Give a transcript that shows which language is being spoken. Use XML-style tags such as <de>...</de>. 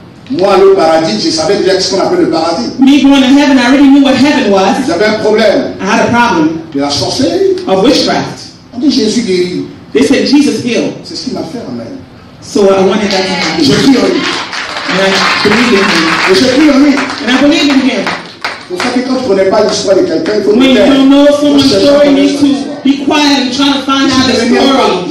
<fr>Moi, le paradis, je savais déjà ce qu'on appelle le paradis.</fr> <en>Me going to heaven, I already knew what heaven was.</en> <fr>J'avais un problème.</fr> <en>I had a problem.</en> <fr>De la sorcellerie.</fr> <en>Of witchcraft.</en> <fr>On dit Jésus guérit.</fr> <en>They said Jesus healed.</en> <fr>C'est ce qu'il m'a fait, amen.</fr> <en>So I wanted that to happen.</en> <fr>Je crie en lui.</fr> <en>And I believe in him.</en> <fr>Et je crie en lui.</fr> <en>And I believe in him.</en> <fr>Pour ça que quand tu ne connais pas l'histoire de quelqu'un, il faut me dire.</fr> <en>When you don't know someone's story, you need to be quiet and try to find out the story.</en>